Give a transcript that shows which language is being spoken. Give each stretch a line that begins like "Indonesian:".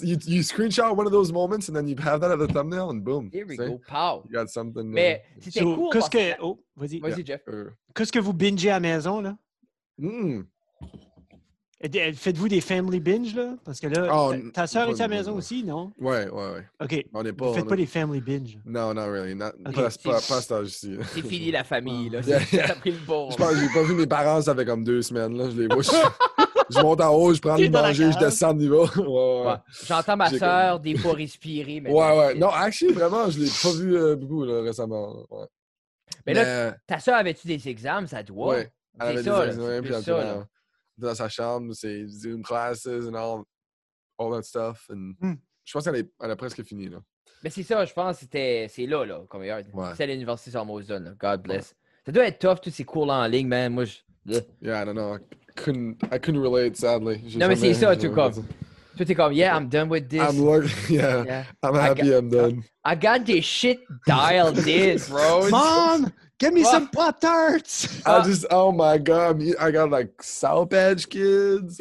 English: You screenshot one of those moments, and then you have that at the thumbnail, and boom. Here we go, pow. You got something.
French: Mais c'était cool. Qu'est-ce que... Oh, vas-y. Vas-y, Jeff. Qu'est-ce que vous bingez à la maison, là? Faites-vous des family binge, là? Parce que là, ta soeur est à la maison aussi, non? Oui, oui, oui. OK. On n'est pas. Faites pas des family binge. Non,
English: not really.
French: Pas à cet âge-ci. C'est fini la famille, là. Yeah, yeah. T'as pris le bon. Je pense que j'ai pas vu mes parents, ça fait comme 2 semaines, là. Je les vois. Je monte en haut, je prends le manger, je descends de niveau. Ouais, ouais. J'entends ma soeur comme... des fois respirer. Ouais, ouais. C'est... Non, actually, vraiment, je l'ai pas vu beaucoup, là, récemment. Ouais. Mais là, ta soeur avait-tu des examens, ça doit? Ouais. Elle avait des examens, puis elle était dans sa chambre, c'est
English: Zoom classes and all that stuff.
French: And je pense qu'elle a presque fini, là. Mais c'est ça, je pense, c'est là, là, comme ailleurs. Ouais. C'est à l'université de Mauson,
English: God bless.
French: Ouais. Ça doit être tough, tous ces cours-là en ligne, man. Moi, je...
English: Yeah, I don't know. I couldn't relate, sadly.
French: J'ai non, mais c'est ça, tout comme. Tout est comme,
English: yeah, I'm done with this. I'm lucky, yeah. I'm happy, I'm done. I got this shit dialed in, bro. Mom! Give me some Pop-Tarts! Oh my God, I got like South Edge kids.